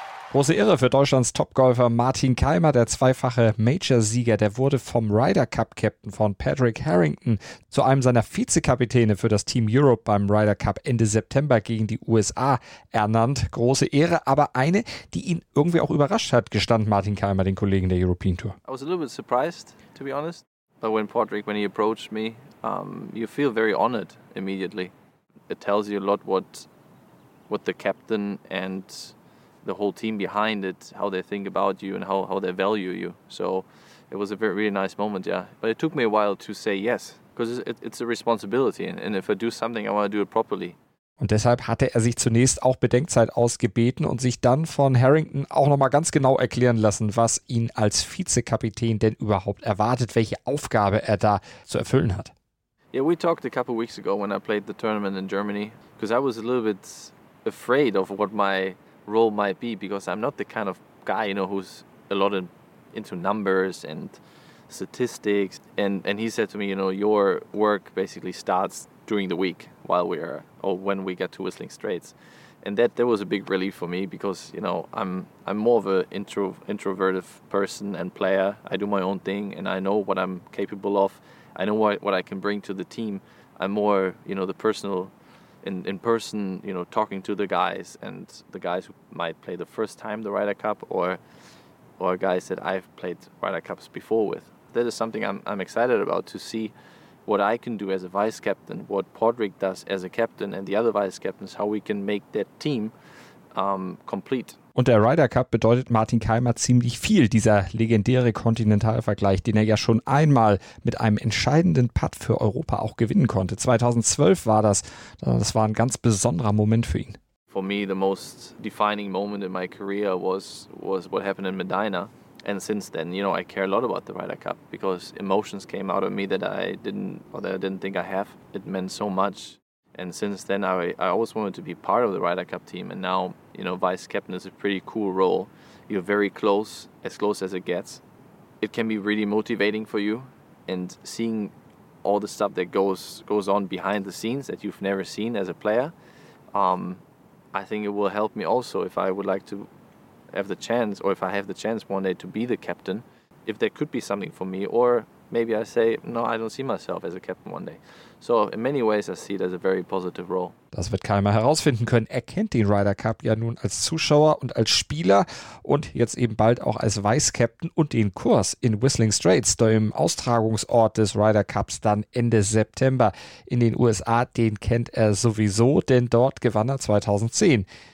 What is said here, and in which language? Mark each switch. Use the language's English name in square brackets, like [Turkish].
[German] Große Irre für Deutschlands Topgolfer Martin Keimer, der zweifache Major-Sieger, der wurde vom Ryder Cup-Captain von Patrick Harrington zu einem seiner Vizekapitäne für das Team Europe beim Ryder Cup Ende September gegen die USA ernannt. Große Ehre, aber eine, die ihn irgendwie auch überrascht hat, gestand Martin Keimer den Kollegen der European Tour. [English] I was a little bit surprised, to be honest. But when he approached me, you feel very honored immediately. It tells you a lot what the captain and the whole team behind it, how they think about you and how they value you. So it was a very, really nice moment, yeah. But it took me a while to say yes, because it's a responsibility. And if I do something, I want to do it properly. [German] Und deshalb hatte er sich zunächst auch Bedenkzeit ausgebeten und sich dann von Harrington auch nochmal ganz genau erklären lassen, was ihn als Vizekapitän denn überhaupt erwartet, welche Aufgabe er da zu erfüllen hat. [English] Yeah, we talked a couple of weeks ago when I played the tournament in Germany, because I was a little bit afraid of what my role might be, because I'm not the kind of guy, you know, who's a lot into numbers and statistics. And he said to me, you know, your work basically starts during the week while we are, or when we get to Whistling Straits. And that was a big relief for me, because, you know, I'm more of an introverted person and player. I do my own thing and I know what I'm capable of. I know what I can bring to the team. I'm more, you know, the personal, in person, you know, talking to the guys, and the guys who might play the first time the Ryder Cup, or guys that I've played Ryder Cups before with. That is something I'm excited about, to see what I can do as a vice captain, what Podrick does as a captain and the other vice captains, how we can make that team complete. [German] Und der Ryder Cup bedeutet Martin Keimer ziemlich viel, dieser legendäre Kontinentalvergleich, den er ja schon einmal mit einem entscheidenden Putt für Europa auch gewinnen konnte. 2012 war das. Das war ein ganz besonderer Moment für ihn. [English] For me, the most defining moment in my career was what happened in Medina. And since then, you know, I care a lot about the Ryder Cup, because emotions came out of me that I didn't think I have. It meant so much. And since then, I always wanted to be part of the Ryder Cup team. And now, you know, vice captain is a pretty cool role. You're very close as it gets. It can be really motivating for you. And seeing all the stuff that goes on behind the scenes that you've never seen as a player, I think it will help me also if I would like to have the chance, or if I have the chance one day to be the captain, if there could be something for me, or maybe I say, no, I don't see myself as a captain one day. So in many ways I see it as a very positive role. [German] Das wird Keimer herausfinden können. Er kennt den Ryder Cup ja nun als Zuschauer und als Spieler und jetzt eben bald auch als Vice-Captain und den Kurs in Whistling Straits, dem Austragungsort des Ryder Cups dann Ende September in den USA, den kennt er sowieso, denn dort gewann er 2010.